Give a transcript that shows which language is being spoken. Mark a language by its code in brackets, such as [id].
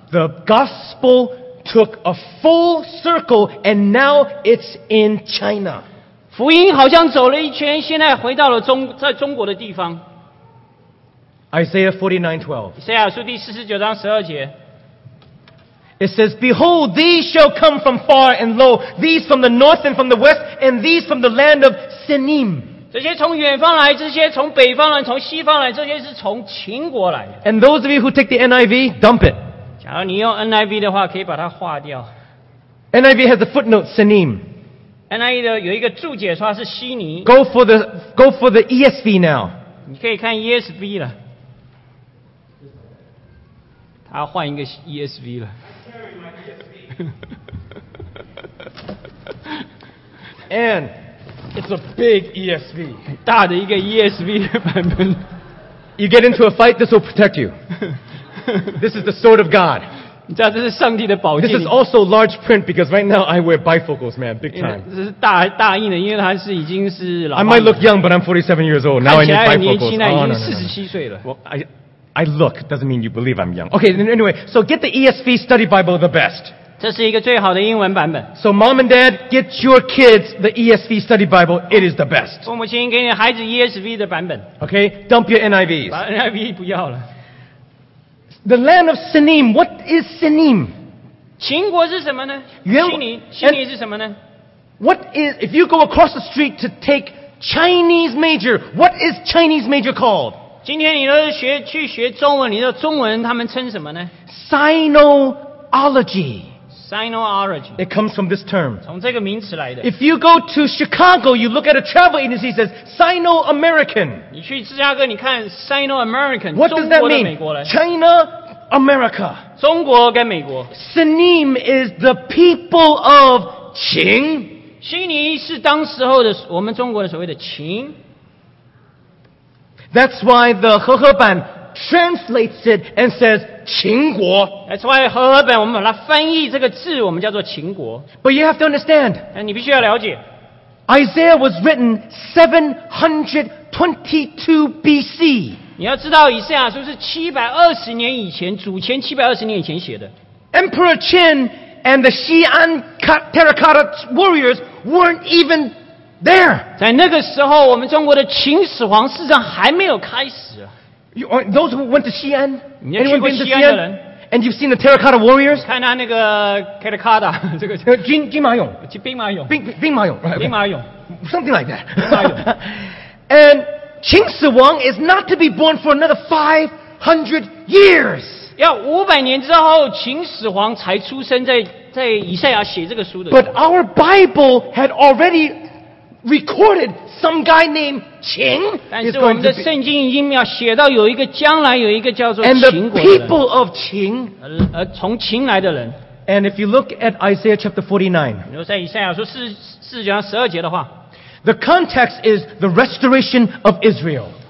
[en] The gospel took a full circle and now it's in China. [zh] 福音好像走了一圈, 现在回到了中, 在中国的地方. [en] Isaiah 49:12. [zh] 以赛亚书第49章12节. [en] It says, Behold, these shall come from far and low, these from the north and from the west, and these from the land of Sinim. [zh] 这些从远方来，这些从北方来，从西方来，这些是从秦国来的。 [en] And those of you who take the NIV, dump it. [zh] 假如你用 NIV 的话，可以把它划掉。 [en] NIV has a footnote, Sinim. [zh] NIV 的有一个注解说是西尼。 [en] Go for the ESV now. [zh] 你可以看 ESV 了。他换一个 ESV 了。 [en] And it's a big ESV. [zh] 大的一个 ESV 版本。 [en] You get into a fight, this will protect you. This is the sword of God. [zh] 你知道这是上帝的宝剑。 [en] This is also large print because right now I wear bifocals, man, big time. [zh] 这是大印的，因为它是已经是老。 [en] I might look young, but I'm 47 years old. Now I need bifocals. [zh] 看起来年轻了，已经47岁了。 [en] Well, I look doesn't mean you believe I'm young. Okay, anyway, so get the ESV Study Bible, the best. [zh] 这是一个最好的英文版本。 [en] So mom and dad, get your kids the ESV Study Bible. It is the best. [zh] 父母亲给你孩子 ESV 的版本。 [en] Okay, dump your NIVs. [zh] 把 NIV 不要了。 [en] The land of Sinim. What is Sinim? [zh] 秦国是什么呢？虚拟是什么呢？ [en] What is, if you go across the street to take Chinese major, what is Chinese major called? [zh] 今天你都是去学中文，你知道中文他们称什么呢？ [en] Sinology. Sinology. It comes from this term. [zh] 从这个名词来的。 [en] If you go to Chicago, you look at a travel agency says Sino-American. [zh] 你去芝加哥，你看 Sino-American. [en] What does that mean? China, America. [zh] 中国跟美国。 [en] Sinim is the people of 秦。 [zh] 悉尼是当时候的我们中国的所谓的秦。 [en] That's why the 和合版translates it and says 秦国 That's why [zh] 和合本我们把它翻译这个字我们叫做秦国 [en] But you have to understand [zh] 你必须要了解 [en] Isaiah was written 722 BC [zh] 你要知道以赛亚书是720年以前主前720年以前写的 [en] Emperor Qin and the Xi'an Terracotta Warriors weren't even there [zh] 在那个时候我们中国的秦始皇事实上还没有开始 [en] You are, those who went to Xi'an? Anyone been to Xi'an? And you've seen the Terracotta Warriors? [zh] 看他那个 Terracotta 这个兵马俑兵马俑兵马俑兵马俑 [en] Something like that. And 秦始皇 is not to be born for another 500 years. [zh] 要500年之后秦始皇才出生在以赛亚写这个书的。 [en] But our Bible had already recorded some guy named 秦 [zh] 但是我们的圣经已经要写到有一个将来有一个叫做秦国的人 [en] And the people of 秦 [zh] 从秦来的人 [en] And if you look at Isaiah chapter 49 [zh] 如果在以赛亚书49章十二节的话 [en] The context is the restoration of Israel